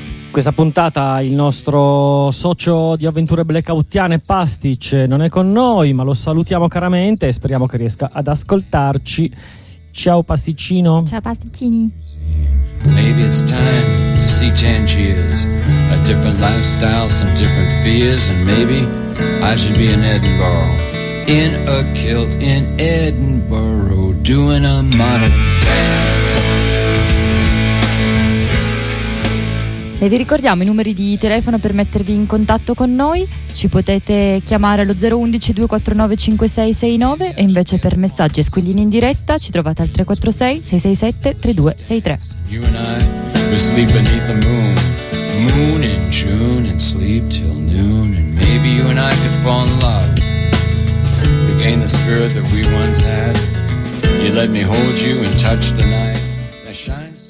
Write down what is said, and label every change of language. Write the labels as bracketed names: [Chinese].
[Italian] Questa puntata il nostro socio di avventure blackoutiane Pastic non è con noi, ma lo salutiamo caramente e speriamo che riesca ad ascoltarci. Ciao Pasticcino. Ciao Pasticcini. [English] Maybe it's time to see Tangiers, a different lifestyle, some different fears, and maybe I should be in Edinburgh, in a kilt in Edinburgh, doing a modern dance. [Italian] E vi ricordiamo i numeri di telefono per mettervi in contatto con noi. Ci potete chiamare allo 011 249 5669, e invece per messaggi e squillini in diretta ci trovate al 346 667 3263.